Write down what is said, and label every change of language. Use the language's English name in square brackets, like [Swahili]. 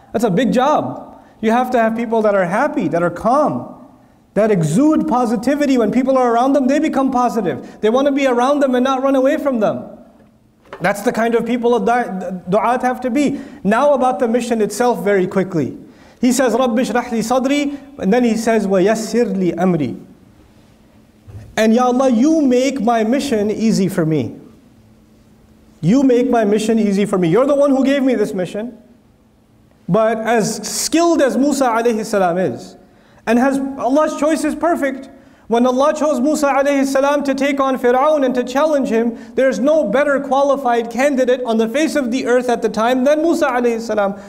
[English] That's a big job. You have to have people that are happy, that are calm, that exude positivity. When people are around them, they become positive. They want to be around them and not run away from them. That's the kind of people a du'at have to be. Now about the mission itself very quickly. He says, [Arabic] رَبِّ اشْرَحْ لِي صَدْرِي, [English] and then he says, [Arabic] وَيَسِّرْ لِي أَمْرِي. [English] And Ya Allah, you make my mission easy for me. You make my mission easy for me. You're the one who gave me this mission. But as skilled as Musa alayhi salam is, and has Allah's choice is perfect, when Allah chose Musa alayhi salam to take on Fir'aun and to challenge him, there's no better qualified candidate on the face of the earth at the time than Musa alayhi salam.